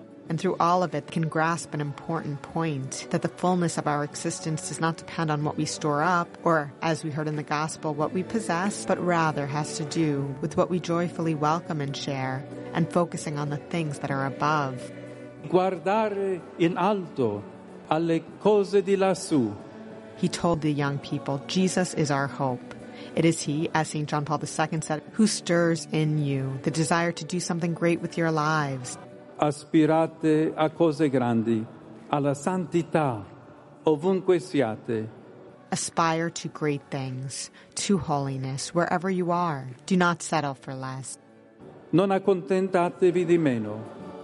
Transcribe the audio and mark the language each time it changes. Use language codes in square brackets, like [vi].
[en] And through all of it, can grasp an important point, that the fullness of our existence does not depend on what we store up, or, as we heard in the Gospel, what we possess, but rather has to do with what we joyfully welcome and share, and focusing on the things that are above. [it] Guardare in alto alle cose di lassù. [en] He told the young people, "Jesus is our hope. It is he, as St. John Paul II said, who stirs in you the desire to do something great with your lives. [it] Aspirate a cose grandi, alla santità, ovunque siate. [en] Aspire to great things, to holiness, wherever you are. Do not settle for less. [it] Non accontentatevi di meno.